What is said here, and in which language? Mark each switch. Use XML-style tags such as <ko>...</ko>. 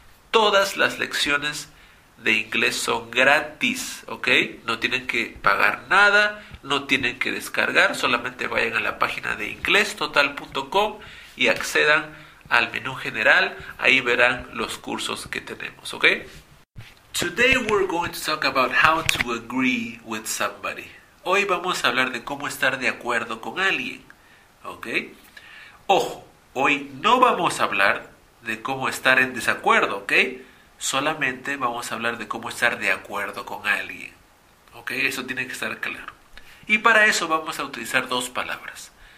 <es>Todas las lecciones de inglés son gratis, ¿ok? No tienen que pagar nada, no tienen que descargar, solamente vayan a la página de inglestotal.com y accedan al menú general, ahí verán los cursos que tenemos, ¿ok?</es> <en>Today we're going to talk about how to agree with somebody.</en> <es>Hoy vamos a hablar de cómo estar de acuerdo con alguien, ¿ok? Ojo, hoy no vamos a hablar de cómo estar en desacuerdo, ¿ok? Solamente vamos a hablar de cómo estar de acuerdo con alguien, ¿ok? Eso tiene que estar claro. Y para eso vamos a utilizar dos palabras.</es>